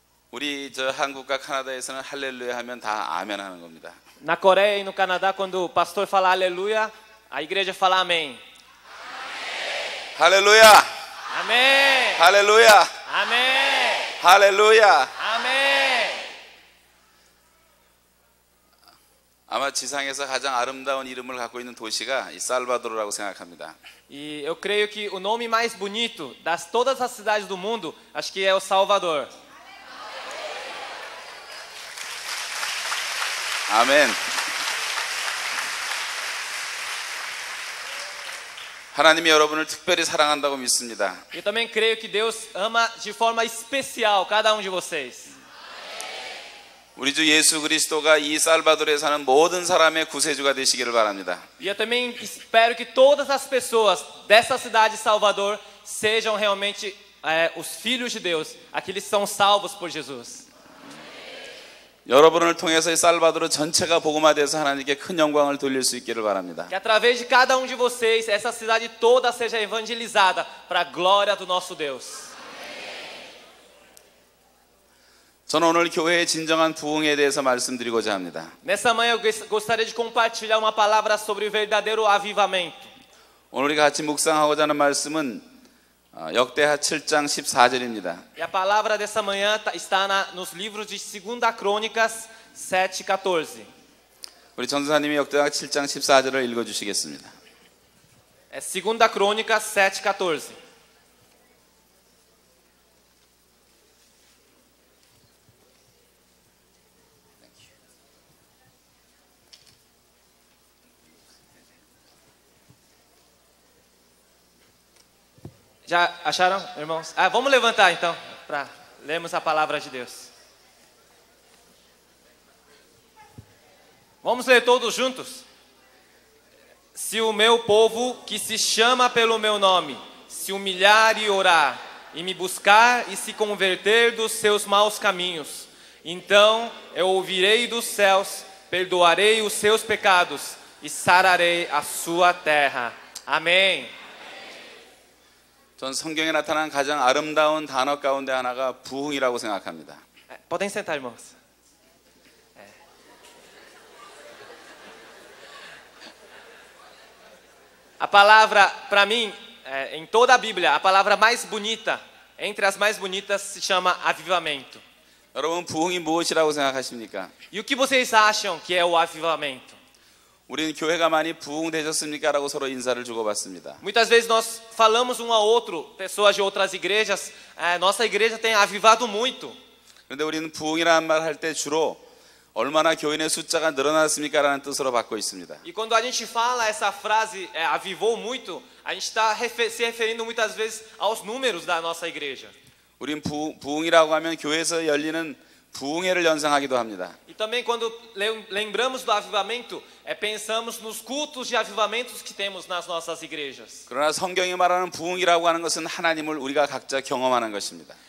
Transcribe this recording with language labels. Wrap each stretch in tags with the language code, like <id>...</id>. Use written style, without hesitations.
<ko>우리 저 한국과 캐나다에서는 할렐루야 하면 다 아멘 하는 겁니다.</ko> <pt>Na Coreia e no Canadá, quando o pastor fala aleluia, a igreja fala amém. Aleluia! Amém! Aleluia! Amém! Aleluia! Amém!</pt> <ko>아마 지상에서 가장 아름다운 이름을 갖고 있는 도시가 이 살바도르라고 생각합니다.</ko> <pt>E eu creio que o nome mais bonito das todas as cidades do mundo, acho que é o Salvador. Amém.</pt> <ko>하나님이 여러분을 특별히 사랑한다고 믿습니다.</ko> <pt>Eu também creio que Deus ama de forma especial cada de vocês.</pt> <ko>우리 주 예수 그리스도가 이 살바도르에 사는 모든 사람의 구세주가 되시기를 바랍니다.</ko> <pt>E eu também espero que todas as pessoas dessa cidade Salvador sejam realmente os filhos de Deus, aqueles que são salvos por Jesus.</pt> <ko>여러분을 통해서 이 살바도르 전체가 복음화돼서 하나님께 큰 영광을 돌릴 수 있기를 바랍니다.</ko> <pt>Que através de cada de vocês essa cidade toda seja evangelizada para a glória do nosso Deus.</pt> <ko>저는 오늘 교회의 진정한 부흥에 대해서 말씀드리고자 합니다.</ko> <pt>Nessa manhã eu gostaria de compartilhar uma palavra sobre o verdadeiro avivamento.</pt> <ko>오늘 우리가 같이 묵상하고자 하는 말씀은 역대하 7장 14절입니다.</ko> <pt>E a palavra dessa manhã está nos livros de 2 Crônicas 7:14.</pt> <ko>우리 전도사님이 역대하 7장 14절을 읽어 주시겠습니다.</ko> <pt>É 2 Crônicas 7:14. Já acharam, irmãos? Ah, vamos levantar então, para lermos a palavra de Deus. Vamos ler todos juntos? Se o meu povo, que se chama pelo meu nome, se humilhar e orar, e me buscar e se converter dos seus maus caminhos. Então eu ouvirei dos céus, perdoarei os seus pecados e sararei a sua terra. Amém.</pt> <ko>전 성경에 나타난 가장 아름다운 단어 가운데 하나가 부흥이라고 생각합니다.</ko> <pt>Podem sentar, irmãos. A palavra, para mim, em toda a Bíblia, a palavra mais bonita, entre as mais bonitas, se chama avivamento.</pt> <ko>여러분, 부흥이 무엇이라고 생각하십니까?</ko> <pt>E o que vocês acham que é o avivamento?</pt> <ko>우리는 교회가 많이 부흥되셨습니까? 라고 서로 인사를 주고받습니다.</ko> <pt>Muitas vezes nós falamos um ao outro, pessoas de outras igrejas, nossa igreja tem avivado muito.</pt> <ko>그런데 우리는 부흥이라는 말 할 때 주로 얼마나 교인의 숫자가 늘어났습니까? 라는 뜻으로 받고 있습니다.</ko> <pt>E quando a gente fala essa frase, avivou muito, a gente está se referindo muitas vezes aos números da nossa igreja.</pt> <ko>우린 부흥이라고 하면 교회에서 열리는 부흥회를 연상하기도 합니다.</ko> <pt>E também quando lembramos do avivamento, pensamos nos cultos de avivamentos que temos nas nossas igrejas.</pt> <ko>그러나 성경이 말하는 부흥이라고 하는 것은 하나님을 우리가 각자 경험하는 것입니다.</ko>